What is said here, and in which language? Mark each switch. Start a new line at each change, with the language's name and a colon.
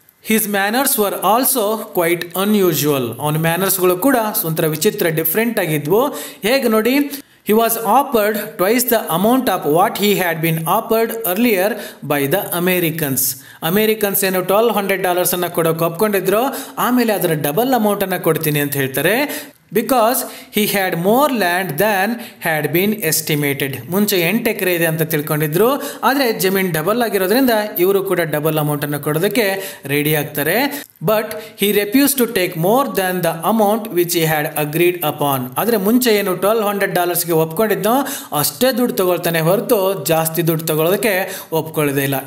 English: His manners were also quite unusual.
Kannada: ಅವನ ಮ್ಯಾನರ್ಸ್ಗಳು ಕೂಡ ಒಂಥರ ವಿಚಿತ್ರ ಡಿಫ್ರೆಂಟ್ ಆಗಿದ್ವು. ಹೇಗೆ ನೋಡಿ.
English: He was offered twice the amount of what he had been offered earlier by the Americans.
Kannada: Americans ಏನು $1200 ಕೊಡೋಕ್ಕೆ ಒಪ್ಕೊಂಡಿದ್ರು, ಆಮೇಲೆ ಅದರ ಡಬಲ್ ಅಮೌಂಟನ್ನು ಕೊಡ್ತೀನಿ ಅಂತ ಹೇಳ್ತಾರೆ.
English: Because he had more land than had been estimated.
Kannada: ಮುಂಚೆ 8 acres ಇದೆ ಅಂತ ತಿಳ್ಕೊಂಡಿದ್ರು, ಆದರೆ ಜಮೀನು ಡಬಲ್ ಆಗಿರೋದ್ರಿಂದ ಇವರು ಕೂಡ ಡಬಲ್ ಅಮೌಂಟನ್ನು ಕೊಡೋದಕ್ಕೆ ರೆಡಿ ಆಗ್ತಾರೆ.
English: But he refuse to take more than the amount which he had agreed upon.
Kannada: ಆದರೆ ಮುಂಚೆ ಏನು $1200 ಒಪ್ಕೊಂಡಿದ್ದೋ ಅಷ್ಟೇ ದುಡ್ಡು ತೊಗೊಳ್ತಾನೆ ಹೊರತು ಜಾಸ್ತಿ ದುಡ್ಡು ತೊಗೊಳೋದಕ್ಕೆ ಒಪ್ಕೊಳ್ಳೋದೇ ಇಲ್ಲ.